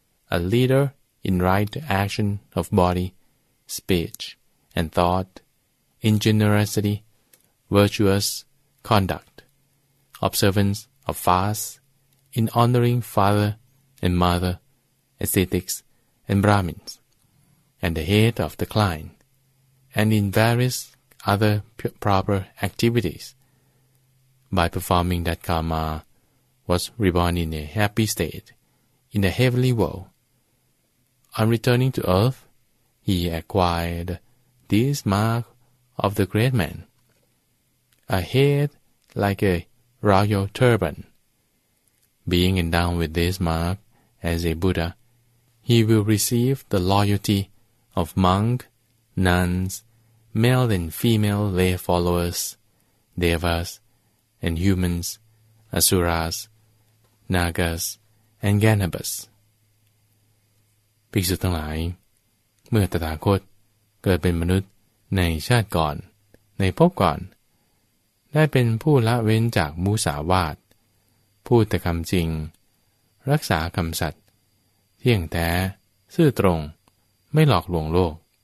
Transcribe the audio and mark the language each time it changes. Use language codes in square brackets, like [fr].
[en] a leader in right action of body, speech, and thought, in generosity, virtuous conduct, observance of fasts, in honoring father and mother, ascetics and Brahmins, and the head of the clan, and in various other proper activities. By performing that karma, was reborn in a happy state in the heavenly world. On returning to earth, he acquired this mark of the great man, a head like a royal turban. Being endowed with this mark as a Buddha, he will receive the loyalty of monk, nuns, male and female lay followers, devas, and humans, asuras, nagas, and ganabas. [th] ภิกษุทั้งหลายเมื่อตถาคตเกิดเป็นมนุษย์ในชาติก่อนในภพก่อนได้เป็นผู้ละเว้นจากมุสาวาทพูดแต่คำจริงรักษาคำสัตย์เที่ยงแท้ซื่อตรงไม่หลอกลวงโลก